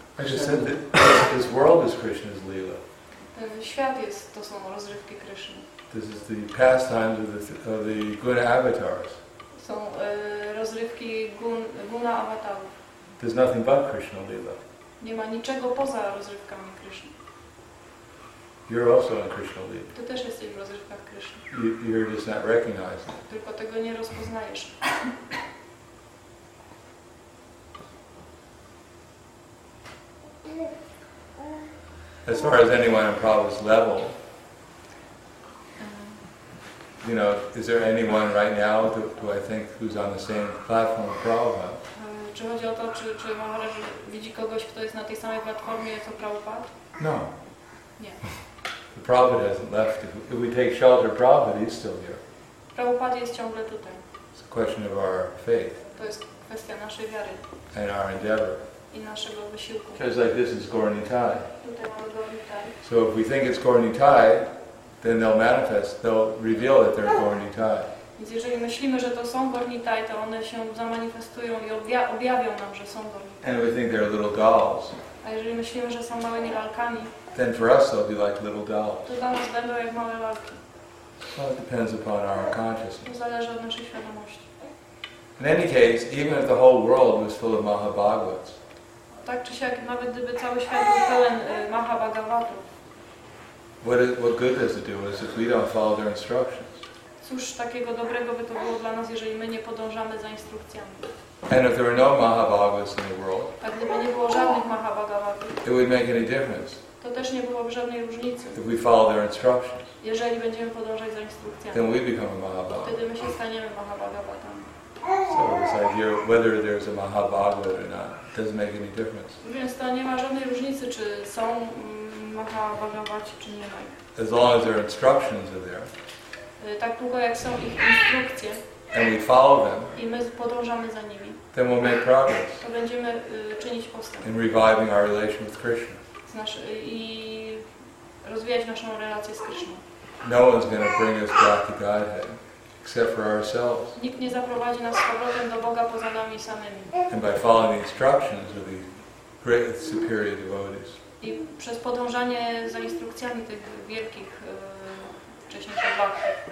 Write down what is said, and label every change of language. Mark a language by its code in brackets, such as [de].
[en] I just said that this world is Krishna's Lila. [pl] Ten świat jest, to są rozrywki Krishna. [en] This is the pastimes of the good avatars. [pl] Są rozrywki guna avatarów. [en] There's nothing but Krishna Lila. [pl] Nie ma niczego poza rozrywkami Krishna. [en] You're also in Krishna Lila. [pl] Ty też jesteś w rozrywkach Krishna. [en] You're just not recognizing. [pl] Tylko tego nie rozpoznajesz. [en] As far as anyone on Prabhupada's level, you know, is there anyone right now do I think who's on the same platform as Prabhupada? [pl] Czy chodzi o to, czy Maharaj widzi kogoś, kto jest na tej samej platformie co Prabhupada? [en] No. [pl] Nie. [en] The Prabhupada hasn't left. If we take shelter of Prabhupada, he's still here. [pl] Prabhupada jest ciągle tutaj. [en] It's a question of our faith. [pl] To jest kwestia naszej wiary. [en] And our endeavor. [pl] I naszego wysiłku. [en] Because like this is Gaur Nitai. [pl] Tutaj mamy Gaur Nitai. [en] So if we think it's Gaur Nitai, then they'll manifest, they'll reveal that they're Gaur Nitai. [pl] Więc jeżeli myślimy, że to są Gaur Nitai, to one się zamanifestują i objawią nam, że są Gaur Nitai. [en] And we think they're little dolls. [pl] A jeżeli myślimy, że są małymi lalkami, [en] then for us they'll be like little dolls. [pl] To dla nas będą jak małe lalki. [en] Well, it depends upon our consciousness. [pl] To zależy od naszej świadomości. [en] In any case, even if the whole world was full of Mahabhagavats, [pl] tak czy siak, nawet gdyby cały świat był pełen Mahabhagavatów, [en] What good does it do us if we don't follow their instructions? [pl] Cóż takiego dobrego by to było dla nas, jeżeli my nie podążamy za instrukcjami? [en] And if there were no Mahabhagavas in the world, [pl] a gdyby nie było żadnych Mahabhagavatów, [en] it would make any difference. [pl] To też nie byłoby żadnej różnicy. [en] If we follow their instructions, [pl] jeżeli będziemy podążać za instrukcjami, [en] then we become a Mahabhagavat. [pl] Wtedy my się staniemy Mahabhagavatami. [en] So it's like here, whether there's a Mahabhagavat or not, it doesn't make any difference. [pl] Więc to nie ma żadnej różnicy, czy są Mahabhagavaci, czy nie ma. [en] As long as their instructions are there. [pl] Tak długo jak są ich instrukcje. [en] And we follow them. [pl] I my podążamy za nimi. [en] Then we'll make progress. [pl] To będziemy czynić postęp. [en] In reviving our relation with Krishna. [pl] I rozwijać naszą relację z Krishna. [en] No one's going to bring us back to Godhead. Except for ourselves. [pl] Nikt nie zaprowadzi nas z powrotem do Boga poza nami samymi. [en] And by following the instructions of the great superior devotees. [pl] I przez podążanie za instrukcjami tych wielkich wcześniejszych bhakti.